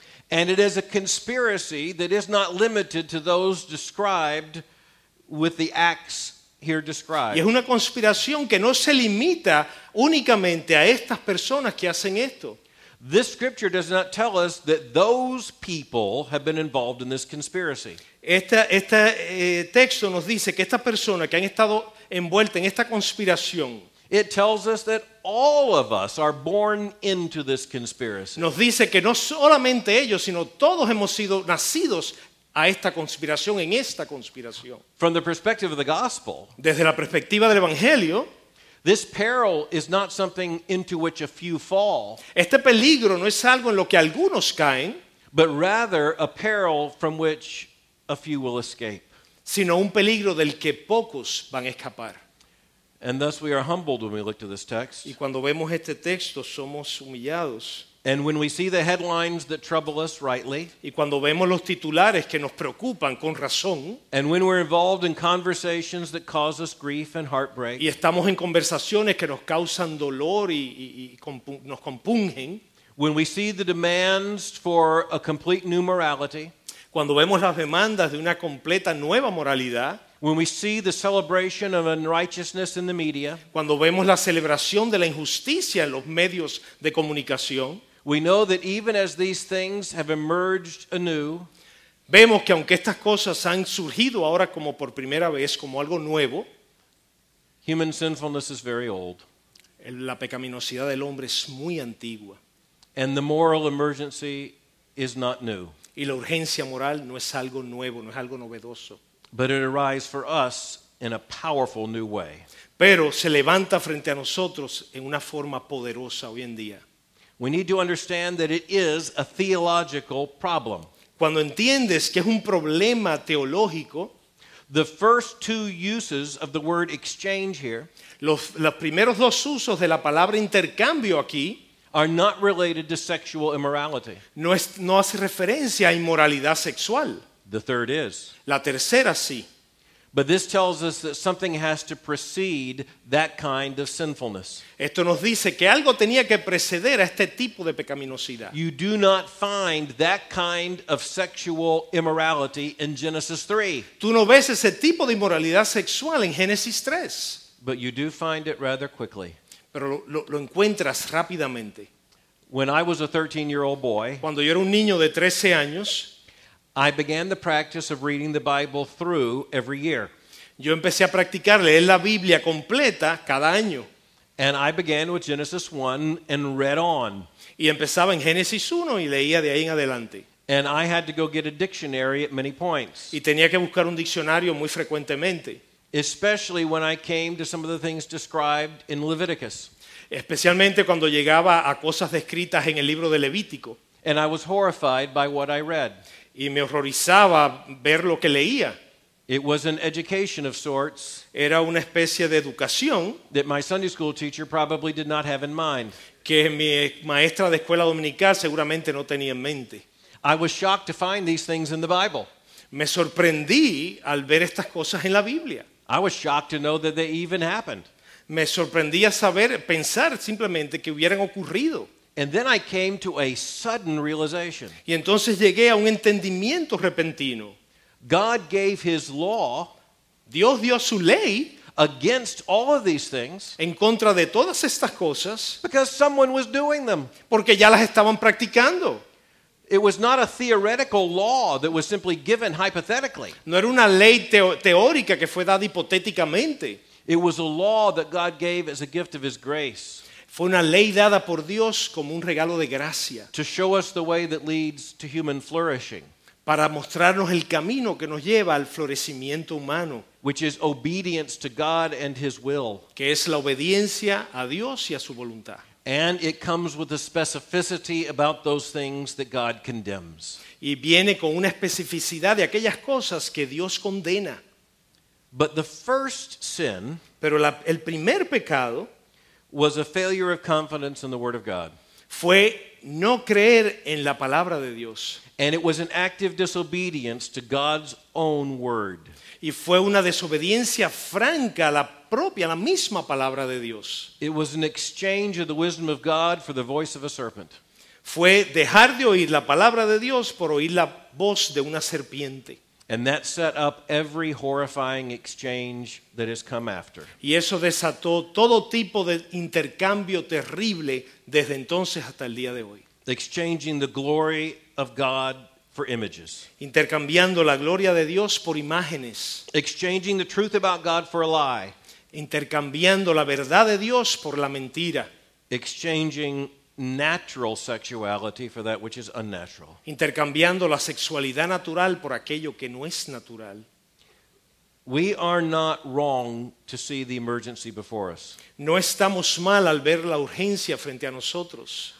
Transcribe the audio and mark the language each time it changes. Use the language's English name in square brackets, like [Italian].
[English] And it is a conspiracy that is not limited to those described with the acts here described. [Spanish] Y es una conspiración que no se limita únicamente a estas personas que hacen esto. [English] This scripture does not tell us that those people have been involved in this conspiracy. [Spanish] Este texto nos dice que estas personas que han estado envueltas en esta conspiración. [English] It tells us that all of us are born into this conspiracy. [Spanish] Nos dice que no solamente ellos, sino todos hemos sido nacidos a esta conspiración, en esta conspiración. [English] From the perspective of the gospel, [Spanish] desde la perspectiva del evangelio, [English] this peril is not something into which a few fall. [Spanish] Este peligro no es algo en lo que algunos caen, [English] but rather a peril from which a few will escape. [Spanish] Sino un peligro del que pocos van a escapar. [English] And thus we are humbled when we look to this text. [Spanish] Y cuando vemos este texto, somos humillados. [English] And when we see the headlines that trouble us rightly. [Spanish] Y cuando vemos los titulares que nos preocupan con razón. [English] And when we're involved in conversations that cause us grief and heartbreak. [Spanish] Y estamos en conversaciones que nos causan dolor y nos compungen. [English] When we see the demands for a complete new morality. [Spanish] Cuando vemos las demandas de una completa nueva moralidad. [English] When we see the celebration of unrighteousness in the media, [Spanish] cuando vemos la celebración de la injusticia en los medios de comunicación, [English] we know that even as these things have emerged anew, [Spanish] vemos que aunque estas cosas han surgido ahora como por primera vez, como algo nuevo, [English] human sinfulness is very old. [Spanish] La pecaminosidad del hombre es muy antigua. [English] And the moral emergency is not new. [Spanish] Y la urgencia moral no es algo nuevo, no es algo novedoso. [English] But it arises for us in a powerful new way. [Spanish] Pero se levanta frente a nosotros en una forma poderosa hoy en día. [English] We need to understand that it is a theological problem. [Spanish] Cuando entiendes que es un problema teológico, [English] the first two uses of the word exchange here, [Spanish] los primeros dos usos de la palabra intercambio aquí, [English] are not related to sexual immorality. [Spanish] No hace referencia a inmoralidad sexual. [English] The third is. [Spanish] La tercera sí. [English] But this tells us that something has to precede that kind of sinfulness. [Spanish] Esto nos dice que algo tenía que preceder a este tipo de pecaminosidad. [English] You do not find that kind of sexual immorality in Genesis 3. [Spanish] Tú no ves ese tipo de inmoralidad sexual en Génesis 3. [English] But you do find it rather quickly. [Spanish] Pero lo encuentras rápidamente. [English] When I was a 13-year-old boy, [Spanish] cuando yo era un niño de 13 años, [English] I began the practice of reading the Bible through every year. [Spanish] Yo empecé a practicar leer la Biblia completa cada año. [English] And I began with Genesis 1 and read on. [Spanish] Y empezaba en Génesis 1 y leía de ahí en adelante. [English] And I had to go get a dictionary at many points. [Spanish] Y tenía que buscar un diccionario muy frecuentemente. [English] Especially when I came to some of the things described in Leviticus. [Spanish] Especialmente cuando llegaba a cosas descritas en el libro de Levítico. [English] And I was horrified by what I read. [Spanish] Y me horrorizaba ver lo que leía. [English] It was an education of sorts. [Spanish] Era una especie de educación. [English] That my Sunday school teacher probably did not have in mind. [Spanish] Que mi maestra de escuela dominical seguramente no tenía en mente. [English] I was shocked to find these things in the Bible. [Spanish] Me sorprendí al ver estas cosas en la Biblia. [English] I was shocked to know that they even happened. [Spanish] Me sorprendí a saber, pensar simplemente que hubieran ocurrido. [English] And then I came to a sudden realization. [Spanish] Y entonces llegué a un entendimiento repentino. [English] God gave his law, [Spanish] Dios dio su ley, [English] against all of these things, [Spanish] en contra de todas estas cosas, [English] because someone was doing them. [Spanish] Porque ya las estaban practicando. [English] It was not a theoretical law that was simply given hypothetically. [Spanish] No era una ley teórica que fue dada hipotéticamente. [English] It was a law that God gave as a gift of His grace. [Spanish] Fue una ley dada por Dios como un regalo de gracia. [English] To show us the way that leads to human flourishing. [Spanish] Para mostrarnos el camino que nos lleva al florecimiento humano. [English] Which is obedience to God and His will. [Spanish] Que es la obediencia a Dios y a su voluntad. [English] And it comes with a specificity about those things that God condemns. [Spanish] Y viene con una especificidad de aquellas cosas que Dios condena. [English] But the first sin, [Spanish] pero el primer pecado, [English] was a failure of confidence in the Word of God. [Spanish] Fue no creer en la palabra de Dios. [English] And it was an active disobedience to God's own word. [Spanish] Y fue una desobediencia franca a la propia, la misma palabra de Dios. [English] It was an exchange of the wisdom of God for the voice of a serpent. [Spanish] Fue dejar de oír la palabra de Dios por oír la voz de una serpiente. [English] And that set up every horrifying exchange that has come after. [Spanish] Y eso desató todo tipo de intercambio terrible desde entonces hasta el día de hoy. [English] Exchanging the glory of God for images. [Spanish] Intercambiando la gloria de Dios por imágenes. [English] Exchanging the truth about God for a lie. [Spanish] Intercambiando la verdad de Dios por la mentira. [English] Exchanging natural sexuality for that which is unnatural. [Spanish] Intercambiando la sexualidad natural por aquello que no es natural. [English] We are not wrong to see the emergency before us. [Spanish] No estamos mal al ver la urgencia frente a nosotros.